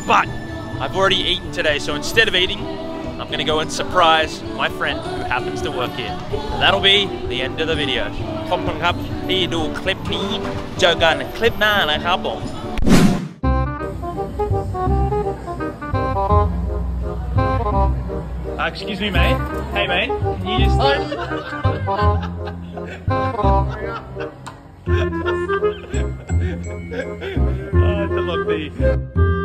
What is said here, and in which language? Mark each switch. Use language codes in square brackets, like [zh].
[en] But I've already eaten today, so instead of eating, I'm gonna go and surprise my friend who happens to work here. That'll be the end of the video. [th] ขอบคุณครับที่ดูคลิปนี้เจอกันคลิปหน้านะครับผม [en] Oh, oh, oh. Excuse me, mate. Hey, mate. Can you just... Oh, my God. Oh, it's a lot of tea.